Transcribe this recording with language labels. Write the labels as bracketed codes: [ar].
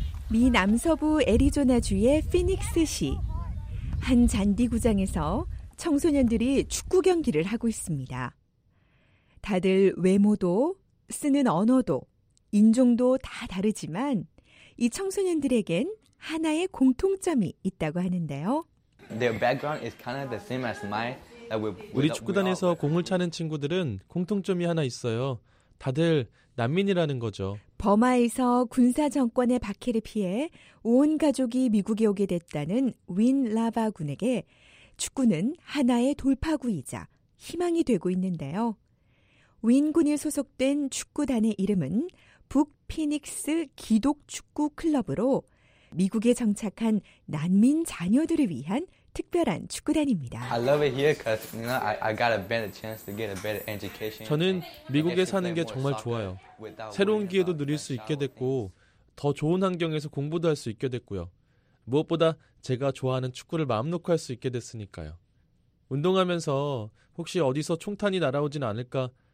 [ko] 미 남서부 애리조나주의 피닉스시 한 잔디구장에서 청소년들이 축구 경기를 하고 있습니다. 다들 외모도 쓰는 언어도 인종도 다 다르지만 이 청소년들에겐 하나의 공통점이 있다고 하는데요. [en] Their background is kind of the same as mine. [ko] 우리 축구단에서 공을 차는 친구들은 공통점이 하나 있어요. 다들 난민이라는 거죠. 버마에서 군사 정권의 박해를 피해 온 가족이 미국에 오게 됐다는 윈 라바 군에게 축구는 하나의 돌파구이자 희망이 되고 있는데요. 윈 군이 소속된 축구단의 이름은 북 피닉스 기독 축구 클럽으로 미국에 정착한 난민 자녀들을 위한 특별한 축구단입니다. [en] I love it here cuz you know I got a better chance to get a better education. [ko] 저는 미국에 사는 게 정말 좋아요. 새로운 기회도 누릴 수 있게 됐고 더 좋은 환경에서 공부도 할 수 있게 됐고요. 무엇보다 제가 좋아하는 축구를 마음 놓고 할 수 있게 됐으니까요. 운동하면서 혹시 어디서 총탄이 날아오진 않을까?